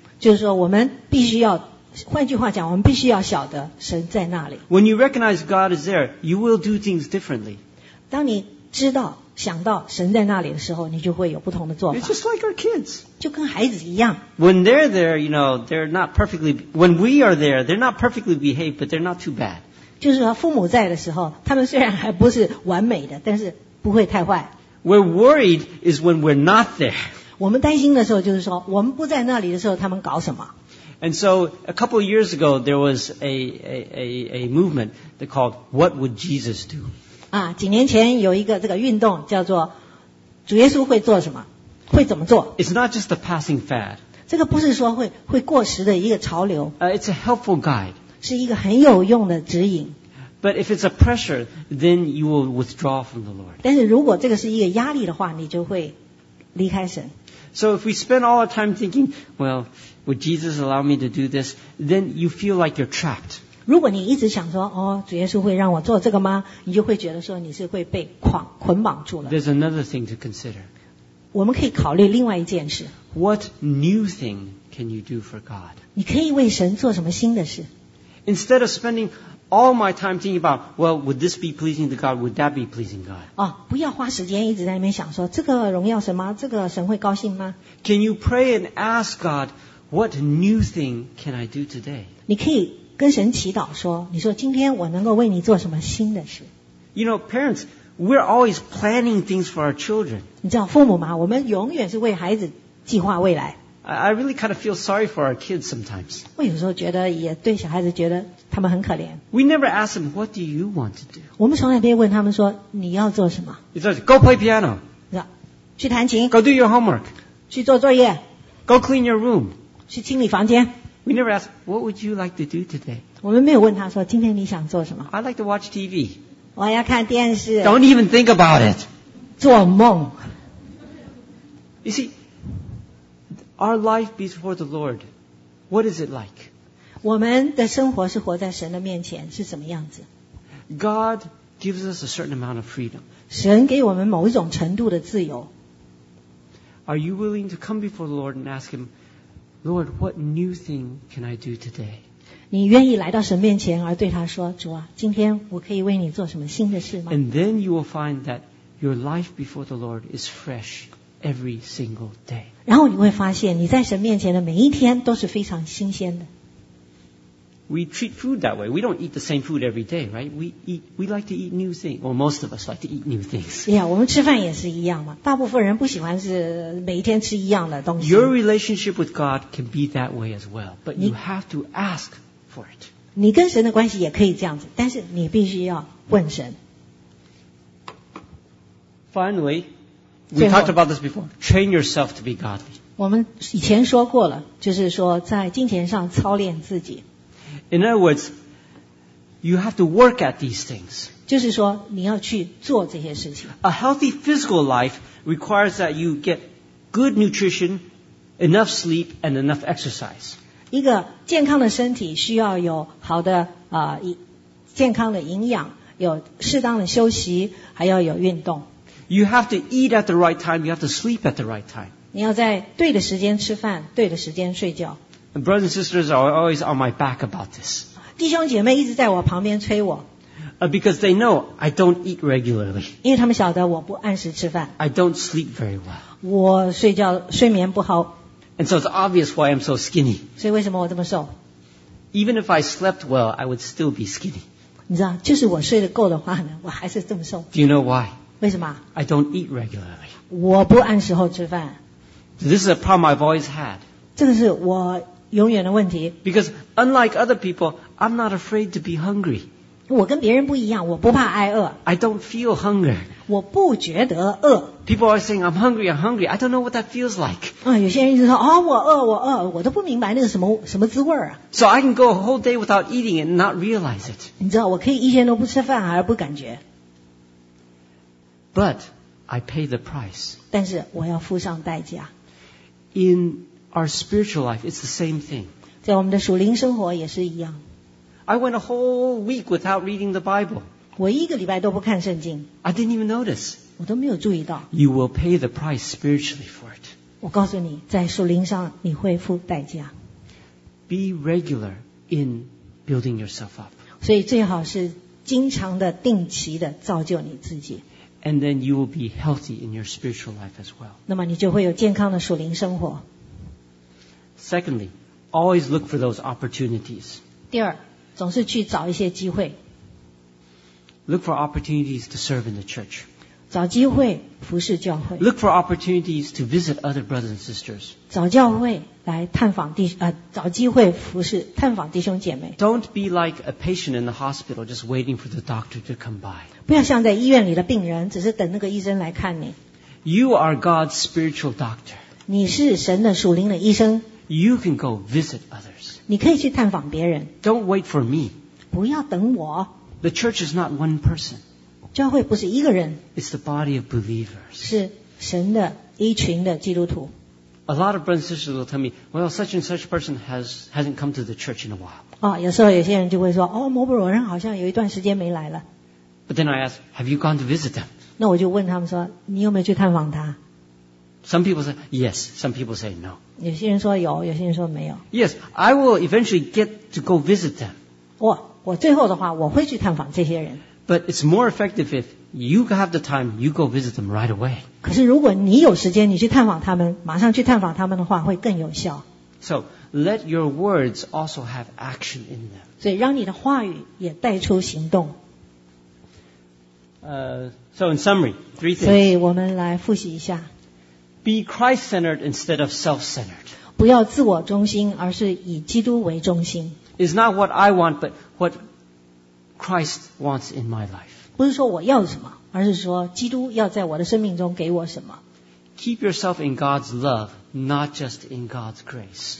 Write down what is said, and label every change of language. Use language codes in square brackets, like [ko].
[zh] 就是说我们必须要换句话讲我们必须要晓得神在那里 [en] When you recognize God is there You will do things differently [zh] 当你知道想到神在那里的时候你就会有不同的做法 [en] It's just like our kids [zh] 就跟孩子一样 [en] When they're there you know they're not perfectly When we are there they're not perfectly behaved But they're not too bad [zh] 就是说父母在的时候他们虽然还不是完美的但是不会太坏 [en] We're worried is when we're not there [zh] 我们担心的时候就是说我们不在那里的时候他们搞什么 [en] And so a couple of years ago there was a movement that called What Would Jesus Do? [zh] 啊，几年前有一个这个运动叫做主耶稣会做什么会怎么做 [en] It's not just a passing fad [zh] 这个不是说 会过时的一个潮流 [en] It's a helpful guide [zh] 是一个很有用的指引 [en] But if it's a pressure then you will withdraw from the Lord [zh] 但是如果这个是一个压力的话你就会离开神 [en] So if we spend all our time thinking, well, would Jesus allow me to do this? Then you feel like you're trapped. [zh] 如果你一直想说，哦，主耶稣会让我做这个吗？你就会觉得说你是会被捆绑住了。 [en] There's another thing to consider. [zh] 我们可以考虑另外一件事。 [en] What new thing can you do for God? [zh] 你可以为神做什么新的事 [en] ？Instead of spending all my time thinking about, well, would this be pleasing to God? Would that be pleasing God? [zh] 哦，不要花时间一直在那边想说这个荣耀神吗？这个神会高兴吗 [en] ？Can you pray and ask God what new thing can I do today? [zh] 你可以跟神祈祷说，你说今天我能够为你做什么新的事 [en] ？You know, parents, we're always planning things for our children. [zh] 你知道父母吗？我们永远是为孩子计划未来。 [en] I really kind of feel sorry for our kids sometimes. [zh] 我有时候觉得也对小孩子觉得他们很可怜。 [en] We never ask them, what do you want to do? [zh] 我们从来没问他们说你要做什么。 [en] It's like, go play piano. [zh] 去弹琴。 [en] Go do your homework. [zh] 去做作业。 [en] Go clean your room. [zh] 去清理房间。 [en] We never ask, what would you like to do today? [zh] 我们没有问他说今天你想做什么。 [en] I'd like to watch TV. [zh] 我要看电视。 [en] Don't even think about it. [zh] 做梦。 [en] You see,Our life before the Lord, what is it like? [zh] 我们的生活是活在神的面前，是什么样子？ [en] God gives us a certain amount of freedom. [zh] 神给我们某一种程度的自由。 [en] Are you willing to come before the Lord and ask Him, Lord, what new thing can I do today? [zh] 你愿意来到神面前而对他说，主啊，今天我可以为你做什么新的事吗？ [en] And then you will find that your life before the Lord is fresh. Every single day. [zh] 然后你会发现，你在神面前的每一天都是非常新鲜的。 [en] We treat food that way. We don't eat the same food every day, right? We like to eat new things. Well, most of us like to eat new things. [zh] Yeah, 我们吃饭也是一样嘛。大部分人不喜欢是每一天吃一样的东西。 [en] Your relationship with God can be that way as well, but you have to ask for it. [zh] 你跟神的关系也可以这样子，但是你必须要问神。 [en] Finally. We talked about this before. Train yourself to be godly. [zh] 我们以前说过了，就是说在金钱上操练自己。 [en] In other words, you have to work at these things. [zh] 就是说你要去做这些事情。 [en] A healthy physical life requires that you get good nutrition, enough sleep, and enough exercise. [zh] 一个健康的身体需要有好的健康的营养，有适当的休息，还要有运动。 [en] You have to eat at the right time. You have to sleep at the right time. [zh] 你要在对的时间吃饭，对的时间睡觉。 [en] And brothers and sisters are always on my back about this. [zh] 弟兄姐妹一直在我旁边催我。 [en] Because they know I don't eat regularly. [zh] 因为他们晓得我不按时吃饭。 [en] I don't sleep very well. [zh] 我睡觉睡眠不好。 [en] And so it's obvious why I'm so skinny. [zh] 所以为什么我这么瘦？ [en] Even if I slept well, I would still be skinny. [zh] 你知道，就是我睡得够的话呢，我还是这么瘦。 [en] Do you know why? [zh] 为什么 [en] I don't eat regularly. [zh] 我不按时候吃饭。 [en] This is a problem I've always had. [zh] 这个是我永远的问题。 [en] Because unlike other people, I'm not afraid to be hungry. [zh] 我跟别人不一样，我不怕挨饿。 [en] I don't feel hunger. [zh] 我不觉得饿。 [en] People are saying, I'm hungry, I'm hungry. I don't know what that feels like. [zh] 有些人就说，哦，我饿，我饿，我都不明白那个什么滋味啊。 [en] So I can go a whole day without eating and not realize it. [zh] 你知道，我可以一天都不吃饭而不感觉。 [en] But I pay the price. [zh] 但是我要付上代价。 [en] In our spiritual life, it's the same thing. [zh] 在我们的属灵生活也是一样。 [en] I went a whole week without reading the Bible. [zh] 我一个礼拜都不看圣经。 [en] I didn't even notice. [zh] 我都没有注意到。 [en] You will pay the price spiritually for it. [zh] 我告诉你，在属灵上你会付代价。 [en] Be regular in building yourself up. [zh] 所以最好是经常的、定期的造就你自己。 [en] And then you will be healthy in your spiritual life as well. [zh] 那么你就会有健康的属灵生活。 [en] Secondly, always look for those opportunities. [zh] 第二，总是去找一些机会。 [en] Look for opportunities to serve in the church. [zh] 找机会服侍教会。 [en] Look for opportunities to visit other brothers and sisters. [zh] 找教会来探访弟找机会服侍探访弟兄姐妹。 [en] Don't be like a patient in the hospital just waiting for the doctor to come by. [zh] 不要像在医院里的病人，只是等那个医生来看你。 [en] You are God's spiritual doctor. [zh] 你是神的属灵的医生。 [en] You can go visit others. [zh] 你可以去探访别人。 [en] Don't wait for me. [zh] 不要等我。 [en] The church is not one person. [zh] 教会不是一个人。 [en] It's the body of believers. [zh] 是神的一群的基督徒。 [en] A lot of brothers and sisters will tell me, well, such and such person hasn't come to the church in a while. [zh] 有时候有些人就会说，哦，某某人好像有一段时间没来了。 [en] But then I ask, have you gone to visit them? [zh] 那我就问他们说，你有没有去探访他？ [en] Some people say yes, some people say no. [zh] 有些人说有，有些人说没有。 [en] Yes, I will eventually get to go visit them. [zh] 我最后的话，我会去探访这些人。 [en] But it's more effective if you have the time, you go visit them right away. [zh] 可是如果你有时间，你去探访他们，马上去探访他们的话，会更有效。 [en] So let your words also have action in them. [zh] 所以让你的话语也带出行动。 [en] So in summary, three things. [zh] 所以我们来复习一下。 [en] Be Christ-centered instead of self-centered. [zh] 不要自我中心，而是以基督为中心。 [en] It's not what I want, but what Christ wants in my life. [zh] 不是说我要什么，而是说基督要在我的生命中给我什么。 [en] Keep yourself in God's love, not just in God's grace.